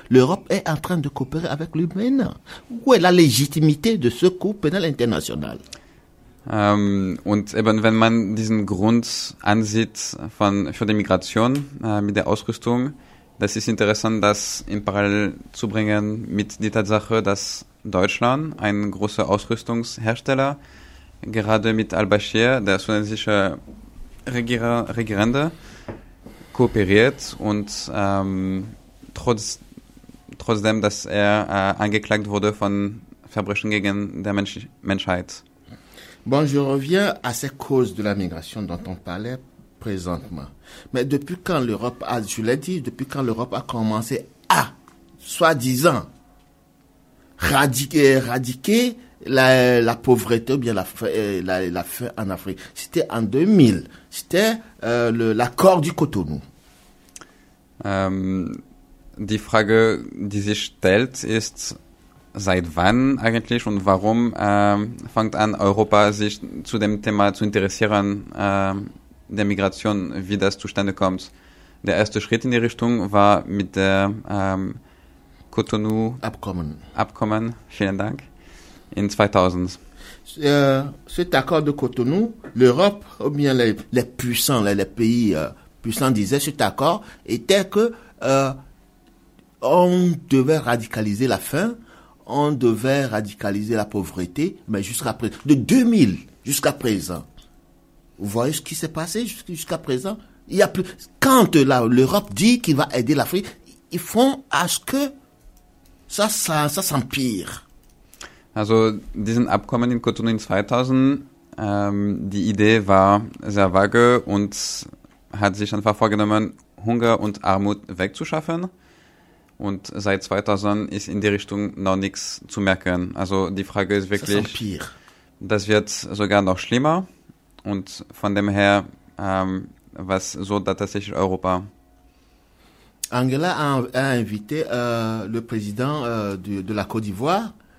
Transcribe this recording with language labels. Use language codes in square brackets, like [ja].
[fr] L'Europe est en train de coopérer avec lui maintenant. Où est la légitimité de ce coup pénal international? [de] Und eben, wenn man diesen Grund ansieht für die Migration mit der Ausrüstung, das ist interessant, das in Parallel zu bringen mit der Tatsache, dass Deutschland, ein großer Ausrüstungshersteller, gerade mit Al-Bashir, der sudanesische Regierende, kooperiert und trotzdem, dass er angeklagt wurde von Verbrechen gegen der Menschheit. [fr] Bon, je reviens à ces causes de la migration dont on parlait présentement. Mais depuis quand l'Europe a, je l'ai dit, depuis quand l'Europe a commencé à, soi-disant, éradiquer la pauvreté ou bien la faim en Afrique. C'était en 2000. C'était l'accord du Cotonou. [de] Die Frage, die sich stellt, ist, seit wann eigentlich und warum fängt an, Europa sich zu dem Thema zu interessieren, der Migration, wie das zustande kommt. Der erste Schritt in die Richtung war mit dem Cotonou-Abkommen. Abkommen, vielen Dank, in 2000. [fr] Cet accord de Cotonou, l'Europe, ou bien les puissants, les pays puissants disaient cet accord, était que on devait radicaliser la faim, on devait radicaliser la pauvreté, mais jusqu'à présent, de 2000 jusqu'à présent. Vous voyez ce qui s'est passé jusqu'à présent? Il y a plus. Quand l'Europe dit qu'il va aider l'Afrique, ils font à ce que ça s'empire. [de] Also, diesen Abkommen in Cotonou in 2000, die Idee war sehr vage und hat sich einfach vorgenommen, Hunger und Armut wegzuschaffen. Und seit 2000 ist in die Richtung noch nichts zu merken. Also die Frage ist wirklich, das wird sogar noch schlimmer. Und von dem her, was so da tatsächlich Europa? [fr] Angela a invité le président de la Côte d'Ivoire.